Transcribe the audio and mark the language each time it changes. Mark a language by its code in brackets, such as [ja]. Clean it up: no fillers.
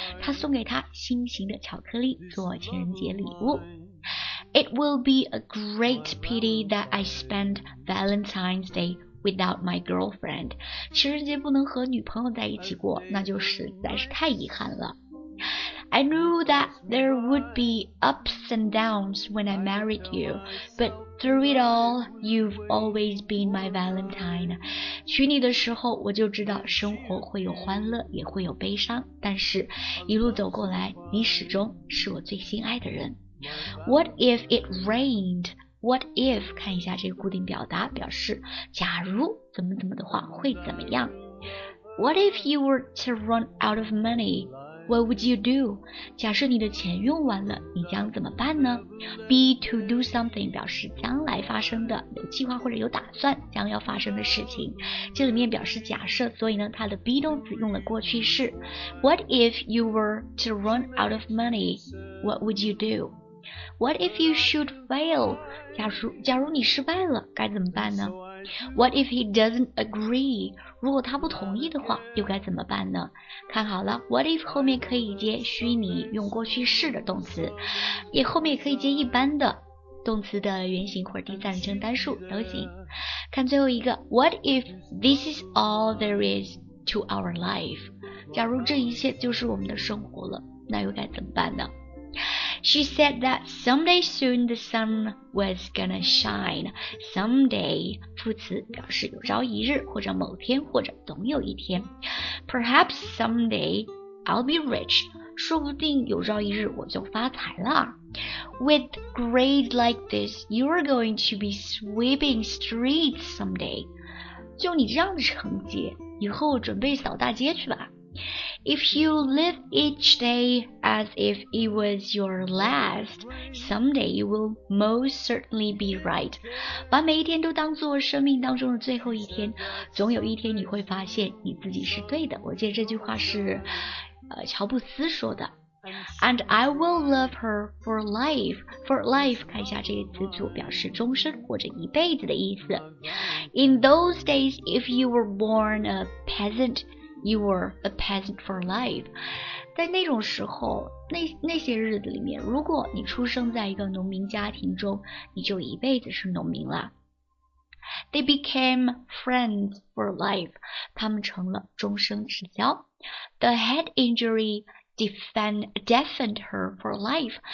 [zh] 他送给她心形的巧克力做情人节礼物。 [en] It will be a great pity that I spend Valentine's Day without my girlfriend. [zh] 情人节不能和女朋友在一起过，那就实在是太遗憾了。 [en] I knew that there would be ups and downs when I married you, but through it all, you've always been my Valentine. [zh] 娶你的时候，我就知道生活会有欢乐，也会有悲伤，但是一路走过来，你始终是我最心爱的人。 [en] What if it rained? [zh] What if 看一下这个固定表达，表示假如怎么怎么的话会怎么样。 [en] What if you were to run out of money? What would you do? [zh] 假设你的钱用完了，你将怎么办呢？ [en] Be to do something [zh] 表示将来发生的，有计划或者有打算将要发生的事情。这里面表示假设，所以呢，它的 be 动词用了过去式。 [en] What if you were to run out of money? What would you do? What if you should fail? [zh] 假如你失败了该怎么办呢？ [en] What if he doesn't agree? [zh] 如果他不同意的话又该怎么办呢？看好了， What if 后面可以接虚拟用过去式的动词，也后面也可以接一般的动词的原型或者第三人称单数都行。看最后一个， [en] What if this is all there is to our life? [zh] 假如这一切就是我们的生活了，那又该怎么办呢？ [en] She said that someday soon the sun was gonna shine. [zh] Someday, 副词表示有朝一日或者某天或者总有一天。 [en] Perhaps someday I'll be rich. [zh] 说不定有朝一日我就发财了。 [en] With grades like this, you're going to be sweeping streets someday. [zh] 就你这样的成绩，以后准备扫大街去吧。 [en] If you live each day as if it was your last, someday you will most certainly be right. [zh] 把每一天都当作生命当中的最后一天，总有一天你会发现你自己是对的。我记得这句话是乔布斯说的。 [en] And I will love her for life. [zh] For life, 看一下这个词组表示终身或者一辈子的意思。 [en] In those days, if you were born a peasant,You were a peasant for life. [zh] 在那种时候，那些日子里面，如果你出生在一个农民家庭中，你就一辈子是农民了。 [en] They became friends for life. [zh] 他们成了终生至交。 [en] The head injury deafened her for life.